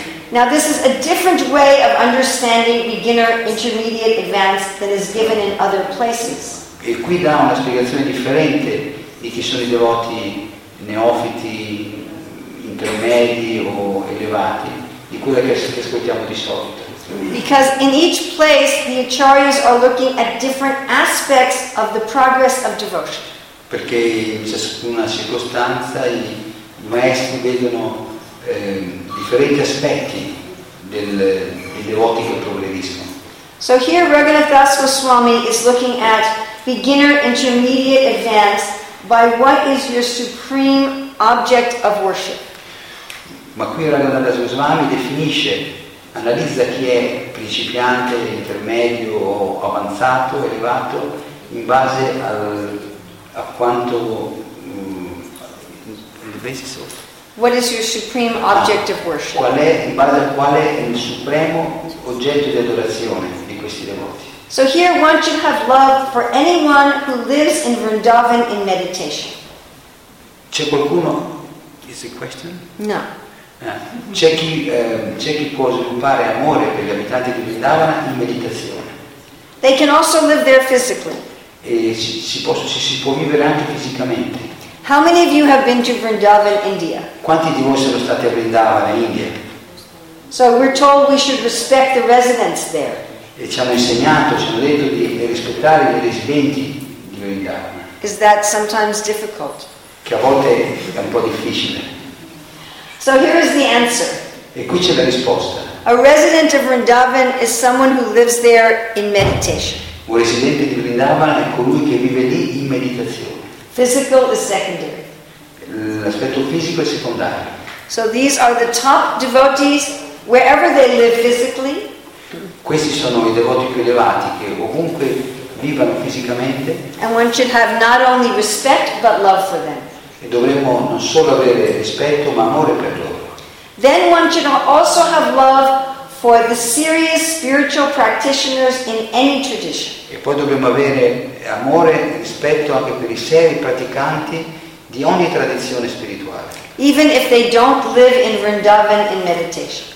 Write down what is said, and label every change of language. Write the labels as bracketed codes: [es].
[en] Now this is a different way of understanding beginner, intermediate, advanced than is given in other places. [it] E qui dà una spiegazione differente di chi sono i devoti neofiti, intermedi o elevati, di quella che ascoltiamo di solito. [en] Because in each place the acharyas are looking at different aspects of the progress of devotion. [it] Perché in ciascuna circostanza i maestri vedono differenti aspetti dei devoti che progrediscono. [en] So here Raghunath Das Goswami is looking at beginner, intermediate, advanced by what is your supreme object of worship. [it] Ma qui Raghunath Das Goswami definisce, analizza chi è principiante, intermedio, avanzato, elevato, in base a quanto. [en] What is your supreme object of worship? [it] Qual è, in base al quale è il supremo oggetto di adorazione di questi devoti? [en] So here one should have love for anyone who lives in Vrindavan in meditation. [it] C'è qualcuno? [en] Is it a question? No. [it] C'è chi può sviluppare amore per gli abitanti di Vrindavan in meditazione. [en] They can also live there physically. [it] E si può vivere anche fisicamente. [en] How many of you have been to Vrindavan, India? [it] Quanti di voi sono stati a Vrindavan, India? [en] So we're told we should respect the residents there. [it] E ci hanno insegnato, ci hanno detto di rispettare i residenti di Vrindavan. [en] Is that sometimes difficult? [it] Che a volte è un po' difficile. [en] So here is the answer. [it] E qui c'è la risposta. [en] A resident of Vrindavan is someone who lives there in meditation. [it] Un residente di Vrindavan è colui che vive lì in meditazione. [en] Physical is secondary. [it] L'aspetto fisico è secondario. [en] So these are the top devotees wherever they live physically. [it] Questi sono i devoti più elevati che ovunque vivano fisicamente. [en] And one should have not only respect but love for them. [it] E dovremmo non solo avere rispetto ma amore per loro. [en] Then one should also have love for the serious spiritual practitioners in any tradition. [it] E poi dobbiamo avere amore e rispetto anche per i seri praticanti di ogni tradizione spirituale. [en] Even if they don't live in Vrindavan in meditation.